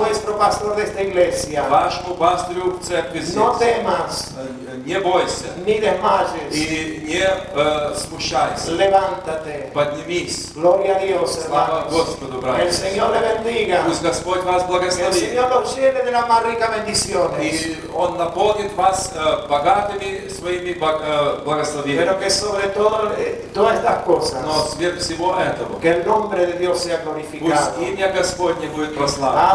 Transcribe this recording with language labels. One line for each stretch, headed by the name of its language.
Spanish: A vuestro pastor de esta iglesia.
Russian: Вашему пастору в церкви здесь.
Spanish: No temas.
Russian: Не бойся. Ни
Spanish: desmayes.
Russian: И не смущайся.
Spanish: Levántate.
Russian: Поднимись.
Spanish: Gloria a Dios.
Russian: Слава Господу, братья.
Spanish: El Señor le bendiga.
Russian: Пусть Господь вас благословит.
Spanish: El Señor los llene de las más ricas bendiciones.
Russian: И он наполнит вас богатыми своими благословениями.
Spanish: Pero que sobre todo todas estas cosas.
Russian: Но сверх всего этого.
Spanish: Que el nombre de Dios sea glorificado.
Russian: Пусть имя Господне будет прославлено.